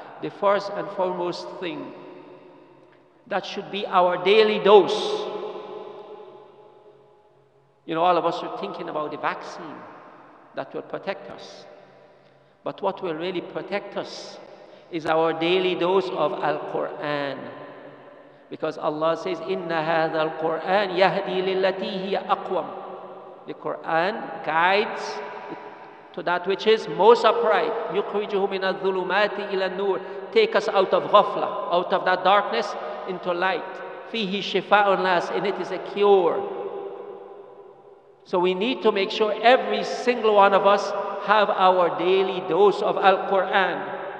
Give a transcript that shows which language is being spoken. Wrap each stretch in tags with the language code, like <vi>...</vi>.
<en>The first and foremost thing that should be our daily dose. You know, all of us are thinking about the vaccine. that will protect us. But what will really protect us is our daily dose of Al-Qur'an.</en> <ar>Because Allah says, إِنَّ هَذَا الْقُرْآنَ يَهْدِي لِلَّتِي هِيَ أَقْوَمُ.</ar> <en>The Qur'an guides to that which is most upright.</en> <ar>يُخْرِجُهُ مِنَ الظُّلُمَاتِ إِلَى النُّورِ.</ar> <en>Take us out of ghafla, out of that darkness, into light.</en> <ar>فِيهِ شِفَاءٌ لَاسِ.</ar> <en>In it is a cure. So we need to make sure every single one of us have our daily dose of Al-Qur'an.</en>